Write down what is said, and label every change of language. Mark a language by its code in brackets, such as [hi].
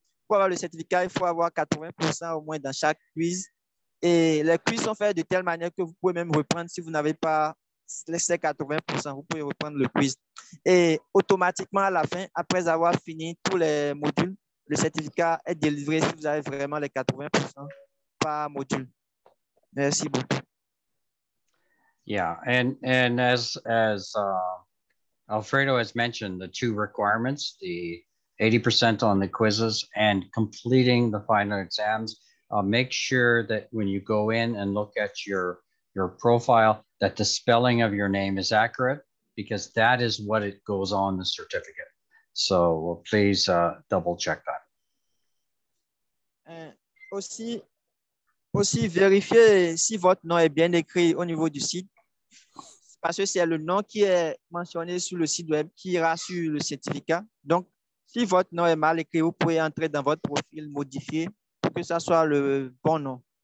[fr] Pour avoir le certificat, il faut avoir 80% au moins dans chaque quiz et les quiz sont faits de telle manière que vous pouvez même reprendre si vous n'avez pas laissez 80%, vous pouvez reprendre le quiz. Et automatiquement, à la fin, après avoir fini tous les modules, le certificat est délivré si vous avez vraiment les 80% par module. Merci beaucoup. [en] Yeah, and as Alfredo has mentioned, the two requirements, the 80% on the quizzes and completing the final exams, make sure that when you go in and look at your profile, that the spelling of your name is accurate because that is what it goes on the certificate. So please double check that. [fr] Aussi vérifier si votre nom est bien écrit au niveau du site parce que c'est le nom qui est mentionné sur le site web qui ira sur le certificat. Donc, si votre nom est mal écrit, vous pouvez entrer dans votre profil modifié pour que ça soit le bon nom.